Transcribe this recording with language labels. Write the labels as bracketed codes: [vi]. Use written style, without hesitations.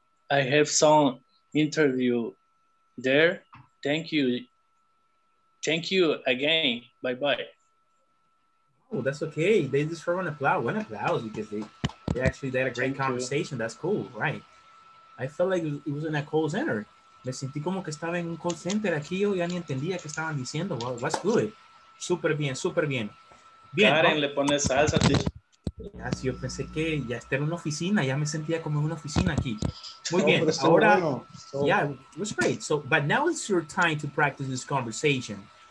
[en] I have some interview there. Thank you. Thank you again. Bye-bye. Oh, that's okay. They just throw an applause. One applause because they actually had a great conversation. That's cool, right? I felt like it was in a call center. [es] Me sentí como que estaba en un call center aquí. Yo ya ni entendía qué estaban diciendo. [en] Well, that's good. [es] Súper bien, súper bien. Bien. Karen, le pone salsa, tío. Ya, sí, yo pensé que ya está en una oficina. Ya me sentía como en una oficina aquí. Muy bien. Ahora, [en] yeah, it was great. So, but now it's your time to practice this conversation.